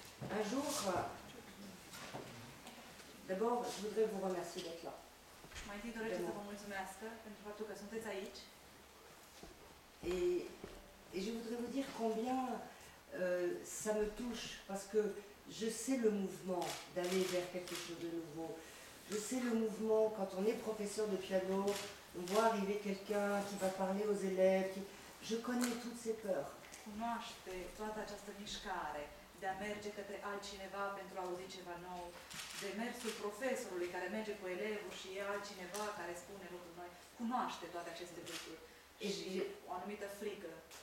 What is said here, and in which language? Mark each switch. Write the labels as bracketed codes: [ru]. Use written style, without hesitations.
[fr] Un jour, d'abord, je voudrais vous remercier d'être là. [ro] Mai întâi doresc să vă mulțumesc pentru faptul că sunteți aici. [fr] Et je voudrais vous dire combien ça me touche, parce que je sais le mouvement d'aller vers quelque chose de nouveau. Je sais le mouvement, quand on est professeur de piano, on voit arriver quelqu'un qui va parler aux élèves. Je connais toutes ces peurs. [ro] Cunoaște toată această mișcare de a merge către altcineva pentru a auzi ceva nou, de mersul profesorului care merge cu elevul și e altcineva care spune lucruri noi. Cunoaște toate aceste lucruri și o anumită frică.